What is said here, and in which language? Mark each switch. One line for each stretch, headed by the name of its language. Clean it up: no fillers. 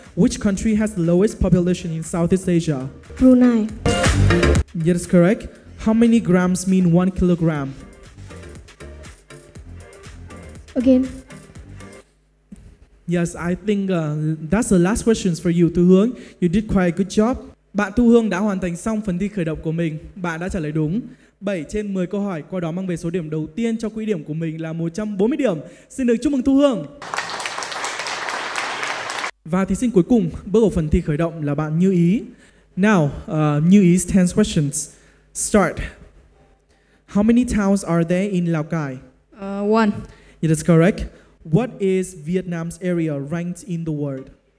English: Which country has the lowest population in Southeast Asia? Brunei. Yeah, that's correct. How many grams mean 1 kilogram? Again. Yes, I think that's the last questions for you, Thu Hương. You did quite a good job.
Vietnamese: Bạn Thu Hương đã hoàn thành xong phần thi khởi động của mình. Bạn đã trả lời đúng 7 trên 10 câu hỏi, qua đó mang về số điểm đầu tiên cho quỹ điểm của mình là 140 điểm. Xin được chúc mừng Thu Hương. Và thí sinh cuối cùng bước vào phần thi khởi động là bạn Như Ý.
English: Now, Như Ý's 10 questions start. How many towns are there in Lào Cai? One. It is correct. What is Vietnam's area ranked in the world?